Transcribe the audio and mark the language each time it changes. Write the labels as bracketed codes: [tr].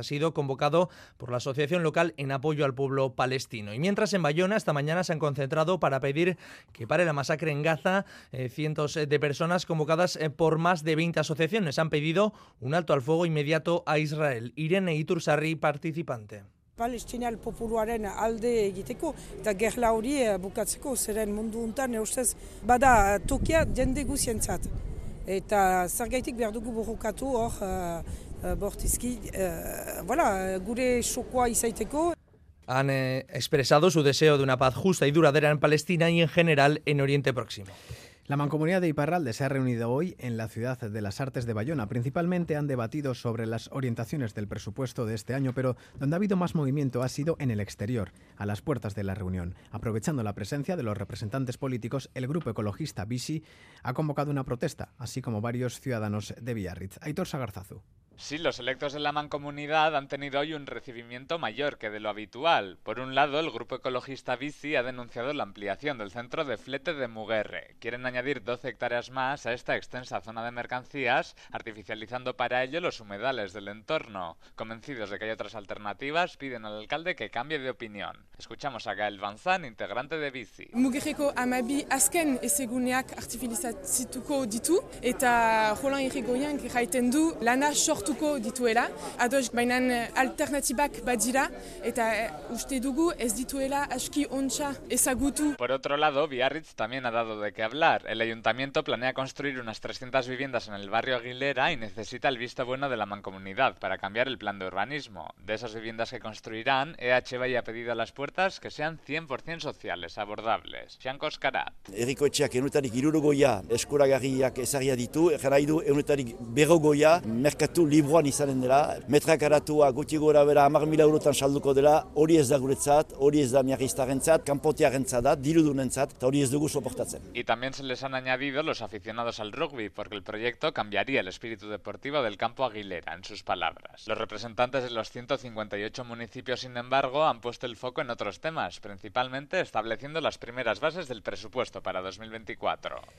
[es] Ha sido convocado por la asociación local en apoyo al pueblo palestino. Y mientras en Bayona, esta mañana se han concentrado para pedir que pare la masacre en Gaza, cientos de personas convocadas por más de 20 asociaciones han pedido un alto al fuego inmediato a Israel. Irene Iturzarri participa. [eu] Palestina el popularen alde egiteko eta gerla hori bukatzeko, zeren mundu untan eustez bada tokia jende guzientzat. Eta zergaitik behar dugu borrokatu hor bortizki, gure sokoa izaiteko. [es] Han expresado su deseo de una paz justa y duradera en Palestina y en general en Oriente Próximo. La Mancomunidad de Iparralde se ha reunido hoy en la Ciudad de las Artes de Bayona. Principalmente han debatido sobre las orientaciones del presupuesto de este año, pero donde ha habido más movimiento ha sido en el exterior, a las puertas de la reunión. Aprovechando la presencia de los representantes políticos, el grupo ecologista Bizi ha convocado una protesta, así como varios ciudadanos de Biarritz. Aitor Sagarzazu. Sí, los electos de la Mancomunidad han tenido hoy un recibimiento mayor que de lo habitual. Por un lado, el grupo ecologista Bizi ha denunciado la ampliación del centro de flete de Mugerre. Quieren añadir 12 hectáreas más a esta extensa zona de mercancías, artificializando para ello los humedales del entorno. Convencidos de que hay otras alternativas, piden al alcalde que cambie de opinión. Escuchamos a Gael Banzan, integrante de Bizi. [eu] Mugerreko amabi azken eseguneak artificializatuko ditu, eta Roland Irigoyen jaiten du lana sortuko dituela, ados baina alternatibak badira, eta uste dugu ez dituela aski ontsa ezagutu. [es] Por otro lado, Biarritz también ha dado de qué hablar. El ayuntamiento planea construir unas 300 viviendas en el barrio Aguilera y necesita el visto bueno de la Mancomunidad para cambiar el plan de urbanismo. De esas viviendas que construirán, EH Bai ha pedido a las puertas que sean 100% sociales, abordables. Xan Koskarat. [eu] Eriko etxeak eunetarik irurugoia eskuragarriak ezagia ditu, jaraidu eunetarik berrogoia merkatu libroan izanen dela, metrakaratua gutxi gora bera 10.000 eurotan salduko dela, hori ez da guretzat, hori ez da miarriztarentzat, kanpotiarentzat da, dirudunentzat, eta hori ez dugu soportatzen. [es] Y también se les han añadido los aficionados al rugby, porque el proyecto cambiaría el espíritu deportivo del campo Aguilera, en sus palabras. Los representantes de los 158 municipios, sin embargo, han puesto el foco en otros temas, principalmente estableciendo las primeras bases del presupuesto para 2024.